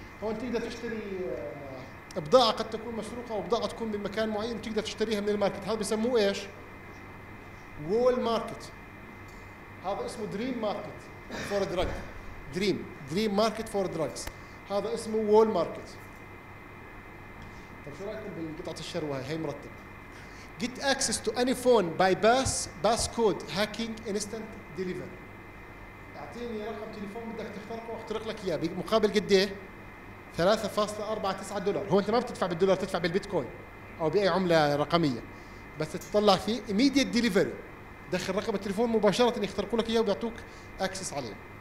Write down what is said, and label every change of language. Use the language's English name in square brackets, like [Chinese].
[Arabic] هون تقدر تشتري بضاعه قد تكون مسروقه او بضاعه تكون بمكان معين وتقدر تشتريها من الماركت. هذا بسموه ايش؟ وول ماركت. هذا اسمه دريم ماركت فور دراج، دريم ماركت فور دراجز. هذا اسمه وول ماركت. طب شو رايكم بقطعه الشروه هي مرتب؟ [English] get access to any phone by bus bus code hacking instant deliver. [Arabic] اعطيني رقم تليفون بدك تخترقه واخترق لك اياه بمقابل قد ايه؟ 3.49 دولار. هو انت ما بتدفع بالدولار، تدفع بالبيتكوين او باي عمله رقميه، بس تطلع فيه [English] immediate delivery، [Arabic] دخل رقم التليفون مباشره يخترقوا لك اياه ويعطوك اكسس عليه.